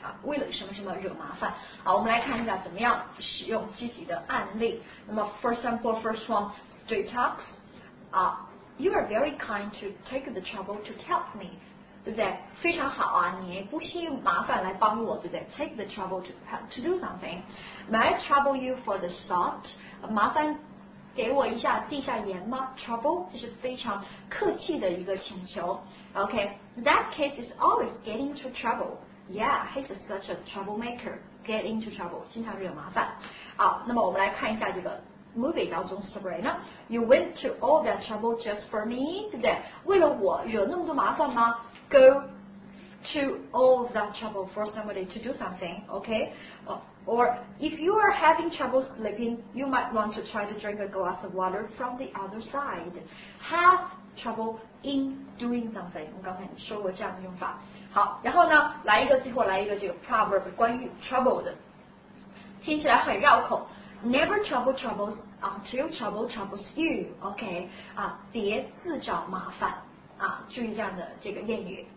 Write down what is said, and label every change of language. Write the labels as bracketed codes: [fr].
[zh] 为了什么什么惹麻烦啊？我们来看一下怎么样使用具体的案例。 [en] 那么 ，for example, first one, straight talks. You are very kind to take the trouble to tell me. [zh] 对不对？非常好啊，你不惜麻烦来帮我，对不对 ？ [en] Take the trouble to help to do something. May I trouble you for the salt? [zh] 麻烦给我一下递下盐吗 ？Trouble 就是非常客气的一个请求。 [en] Okay, that kid is always getting into trouble. Yeah, he's such a troublemaker. Get into trouble, [zh] 经常惹麻烦。好，那么我们来看一下这个。 [en] Movie 当中 Sabrina, you went to all that trouble just for me, [zh] 对不对？为了我惹那么多麻烦吗 [en] ？Go to all that trouble for somebody to do something, okay? Or if you are having trouble sleeping, you might want to try to drink a glass of water from the other side. Have trouble in doing something. [zh] 我刚才说过这样的用法。好，然后呢，来一个，最后来一个这个 proverb 关于 trouble 的，听起来很绕口。 [en] Never trouble troubles until trouble troubles you. [zh] Okay, 啊，别自找麻烦啊，注意这样的这个谚语。